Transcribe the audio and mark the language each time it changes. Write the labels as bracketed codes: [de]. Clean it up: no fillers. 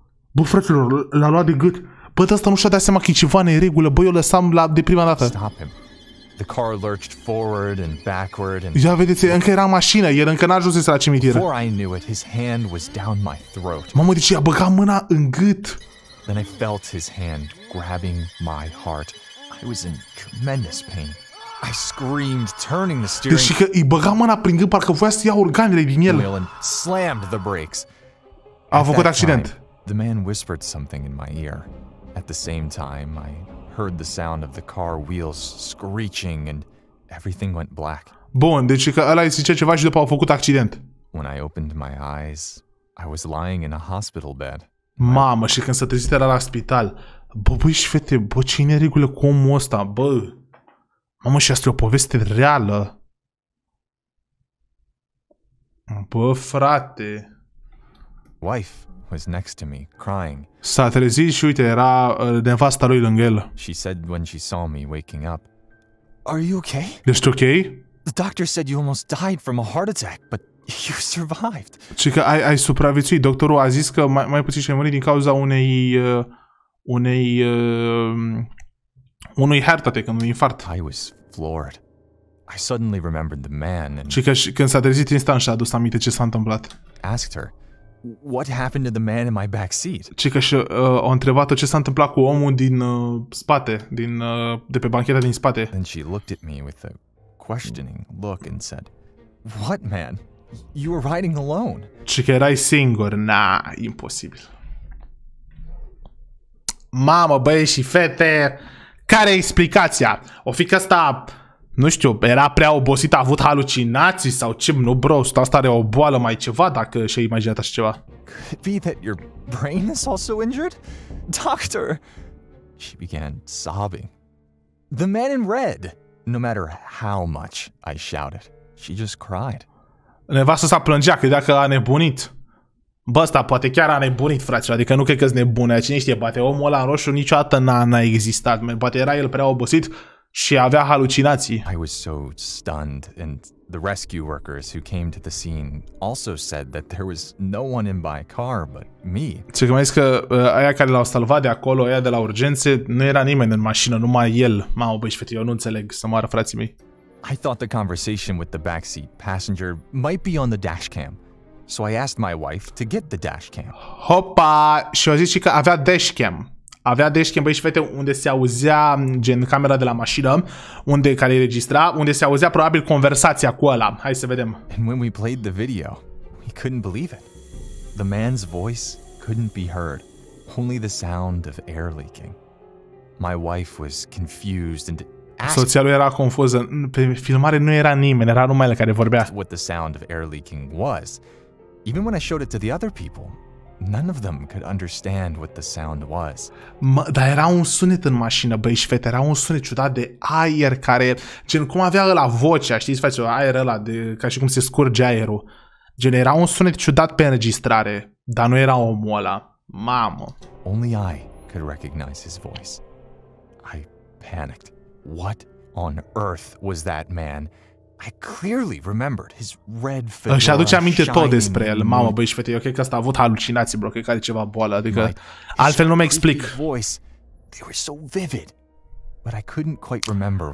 [ro] Bă, fraților, l-a luat de gât. Bă, ăsta nu și-a dat seama că e ceva neregulă. Bă, eu lăsam la, de prima dată. [en] Stop him. The car lurched forward and backward and... [ro] Ia, vedeți, încă era mașină, el încă n-a ajuns la cimitir. [en] Before I knew it, his hand was down my throat. [ro] Mamă, deci i-a băgat mâna în gât. [en] Then I felt his hand grabbing my heart. I was in tremendous pain. I screamed, turning the steering. [ro] Deci că îi băga mâna prin gând, parcă voia să ia organele din el. [en] Slammed the brakes. [ro] A făcut accident. [en] The man whispered something in my ear. At the same time, I heard the sound of the car wheels screeching and everything went black. [ro] Bun, deci că ăla îi zice ceva și după a făcut accident. [en] When I opened my eyes, I was lying in a hospital bed. [ro] Mamă, și când s-a trezit era la spital. Bă, băi și fete, bă, ce e neregulă cu omul ăsta, bă. Mamă, și asta e o poveste reală. Bă, frate. [en] Wife was next to me, crying. [ro] S-a trezit și uite, era nevasta lui lângă el. [en] She said when she saw me waking up. Are you okay? [ro] Ești ok? [en] The doctor said you almost died from a heart attack, but you survived. [ro] Și că ai supraviețuit. Doctorul a zis că mai puțin și ai murit din cauza unui heart attack, un infart. [en] I was floored. I suddenly remembered the man. [ro] Și că când s-a trezit instant și a adus aminte ce s-a întâmplat. [en] Asked her, what happened to the man in my back seat? [ro] Și că a întrebat ce s-a întâmplat cu omul din spate, de pe bancheta din spate. [en] And she looked at me with a questioning look and said, what man? You were riding alone. [ro] Și că erai singur. Nah, imposibil. Mamă, băie și fete, care e explicația? O fi că asta, nu știu, era prea obosit, a avut halucinații sau ce, nu bro, asta are o boală mai ceva, dacă și-a imaginat așa ceva. [en] Could be that your brain is also injured? Doctor! She began sobbing. The man in red, no matter how much I shouted, she just cried. [ro] Nevastă s-a plângea, credea că a nebunit. Bă, ăsta poate chiar a nebunit, frate, adică nu cred că-s nebun, cine știe, poate omul ăla în roșu niciodată n-a existat, poate era el prea obosit și avea halucinații. [en] I was so stunned, and the rescue workers who came to the scene also said that there was no one in my car but me. [ro] Ce mai zic că aia care l-au salvat de acolo, aia de la urgențe, nu era nimeni în mașină, numai el. Mamă, băi, fete, eu nu înțeleg, să moară frații mei. [en] I thought the conversation with the backseat passenger might be on the dashcam. So I asked my wife to get the dashcam. [ro] Hopa, și a zis și că avea dashcam. Avea dashcam, băi și fete, unde se auzea gen camera de la mașină, unde care înregistra, unde se auzea probabil conversația cu ăla. Hai să vedem. [en] And when we played the video, we couldn't believe it. The man's voice couldn't be heard, only the sound of air leaking. My wife was confused and [ro] soția lui era confuză. Pe filmare nu era nimeni, era numai el care vorbea. [en] What the sound of air leaking was. Even when I showed it to the other people, none of them could understand what the sound was. [ro] Dar era un sunet în mașină, băi și fete, era un sunet ciudat de aer care, gen cum avea ăla vocea, știți, face aer ăla, de, ca și cum se scurge aerul. Gen, era un sunet ciudat pe înregistrare, dar nu era omul ăla. Mamă. [en] Only I could recognize his voice. I panicked. What on earth was that man? I clearly remembered his red fedora. [ro] Își aduce aminte tot despre el. Mamă, băi și fete, eu cred că asta a avut halucinații, bro, cred că are ceva boală, adică altfel nu mă explic. [en] They were so vivid, but I couldn't quite remember.